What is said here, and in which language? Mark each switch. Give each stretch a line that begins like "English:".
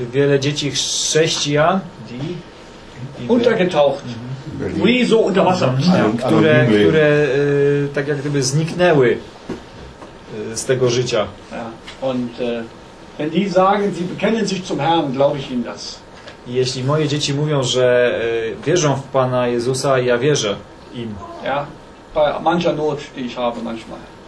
Polish: Wiele dzieci chrześcijan, die
German: untergetaucht. Wie so unter Wasser.
Polish: Które tak jak gdyby zniknęły z tego życia.
German: Ja. Und wenn die sagen, sie bekennen sich zum Herrn, glaube ich ihnen das.
Polish: Jeśli moje dzieci mówią, że wierzą w Pana Jezusa, ja wierzę im.
German: Ja, bei mancher Not, die ich habe manchmal.